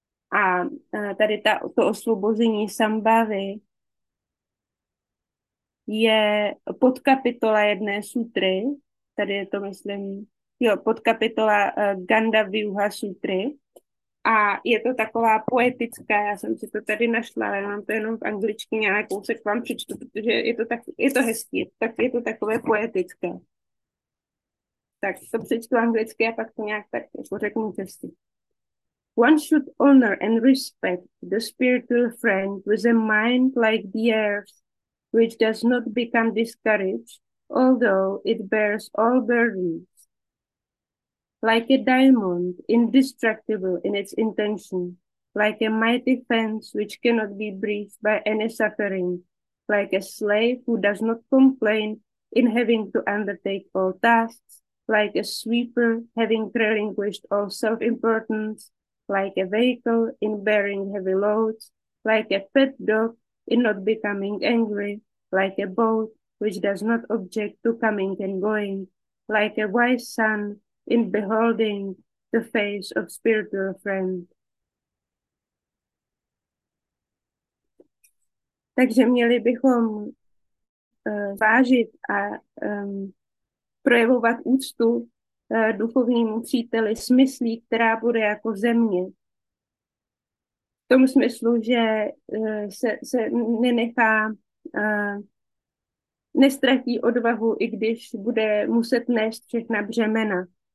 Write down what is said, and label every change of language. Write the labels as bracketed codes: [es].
[cs] A tady to osvobození sambhavy je podkapitola jedné sutry, tady je to myslím, jo, podkapitola Gandavyuha sutry. A je to taková poetická, já jsem si to tady našla, ale mám to jenom v angličtině, ale kousek vám přečtu, protože je to hezký, tak je to takové poetické. Tak to přečtu anglicky a pak to nějak tak jako řeknu hezky. [en] One should honor and respect the spiritual friend with a mind like the earth, which does not become discouraged, although it bears all burdens. Like a diamond, indestructible in its intention, like a mighty fence which cannot be breached by any suffering, like a slave who does not complain in having to undertake all tasks, like a sweeper having relinquished all self-importance, like a vehicle in bearing heavy loads, like a pet dog in not becoming angry, like a boat which does not object to coming and going, like a wise son in beholding the face of spiritual friend. [cs] Takže měli bychom vážit a projevovat úctu duchovnímu příteli smyslí, která bude jako země. V tom smyslu, že se nenechá, nestratí odvahu, i když bude muset nést všechna břemena.